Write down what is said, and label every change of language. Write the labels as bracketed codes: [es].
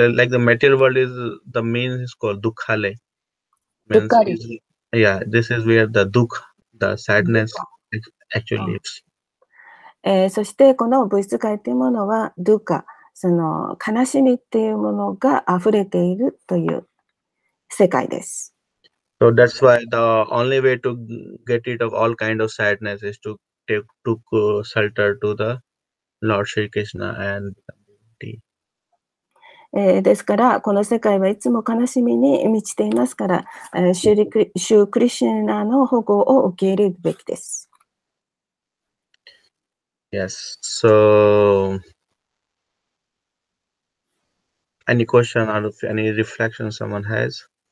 [en] Like the material world is the main is called Dukhale. Dukhale. Yeah, this is where the Dukha, the sadness actually lives. [ja] そしてこの物質界というものはドゥカ、その悲しみというものが溢れているという世界です。 [en] So that's why the only way to get rid of all kind of sadness is to take shelter to the Lord Shri Krishna and deity. [ja] ですからこの世界はいつも悲しみに満ちていますから、シュークリシュナの保護を受け入れるべきです。 [en] Yes. So, any question out of any reflection someone has?